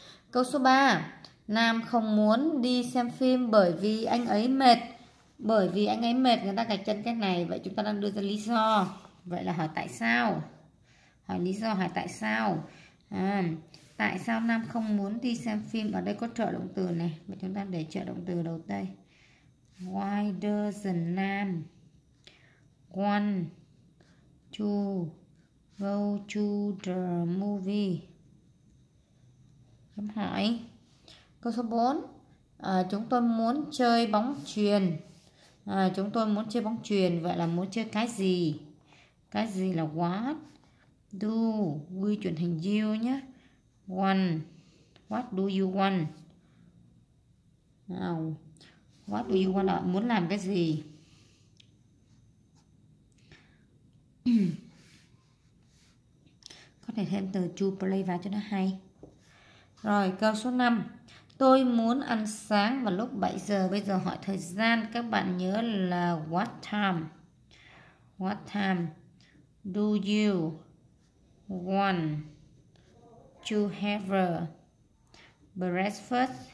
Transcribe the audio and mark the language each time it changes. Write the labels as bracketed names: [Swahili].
[Vietnamese] Câu số 3, nam không muốn đi xem phim bởi vì anh ấy mệt. Bởi vì anh ấy mệt, người ta gạch chân cái này. Vậy chúng ta đang đưa ra lý do. Vậy là hỏi tại sao. Hỏi lý do, hỏi tại sao. Tại sao nam không muốn đi xem phim? Ở đây có trợ động từ này. Vậy chúng ta để trợ động từ đầu tay. [English] Why doesn't nam want to go to the movie? [Vietnamese] Chấm hỏi. Câu số 4, chúng tôi muốn chơi bóng chuyền. Chúng tôi muốn chơi bóng chuyền, vậy là muốn chơi cái gì? Cái gì là what? Do, quy chuyển thành you nhé. One, [English] What do you want? [Vietnamese] Nào. [English] What do you want? [Vietnamese] Muốn làm cái gì? Thể thêm từ to play vào cho nó hay. Rồi, câu số 5. Tôi muốn ăn sáng vào lúc 7 giờ. Bây giờ hỏi thời gian. Các bạn nhớ là what time? [English] What time do you want to have breakfast?